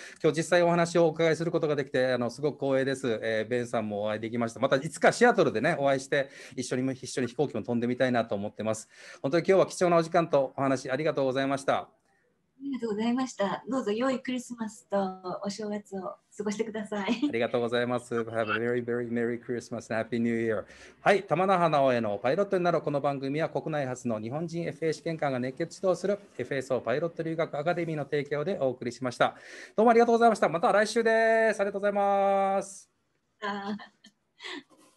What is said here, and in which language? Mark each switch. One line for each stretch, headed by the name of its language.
Japanese: 今日実際お話をお伺いすることができて、すごく光栄です。ベンさんもお会いできました。またいつかシアトルでね、お会いして、一緒に飛行機も飛んでみたいなと思ってます。本当に今日は貴重なお時間とお話ありがとうございました。ありがとうございました。どうぞ良いクリスマスとお正月を過ごしてください。ありがとうございます。
English: Have a very very merry Christmas and happy new year。
Japanese: はい、玉那覇直江のパイロットになる。この番組は国内初の日本人 FA 試験官が熱血指導する FSO パイロット留学アカデミーの提供でお送りしました。どうもありがとうございました。また来週です。ありがとうございます。